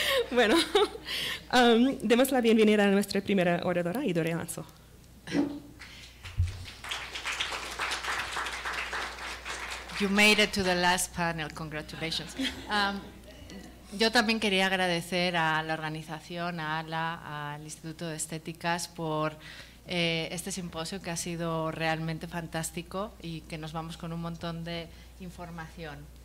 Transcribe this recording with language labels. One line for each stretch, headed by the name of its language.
Spanish: Bueno, demos la bienvenida a nuestra primera oradora, Idore Alonso.
English: You made it to the last panel, congratulations.
Spanish: Yo también quería agradecer a la organización, a ALA, al Instituto de Estéticas por este simposio que ha sido realmente fantástico y que nos vamos con un montón de información.